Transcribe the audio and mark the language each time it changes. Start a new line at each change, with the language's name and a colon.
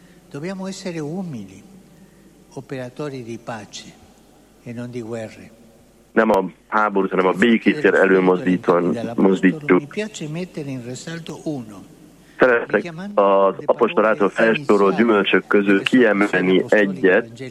Italian: Dobbiamo essere umili, operatori di pace e non di guerre.
Hungarian: Nem a háborút, hanem a békét előmozdítjuk.
Italian: Mi piace mettere in risalto uno.
Hungarian: Szeretek az apostolától felsorolt gyümölcsök közül kiemelni egyet.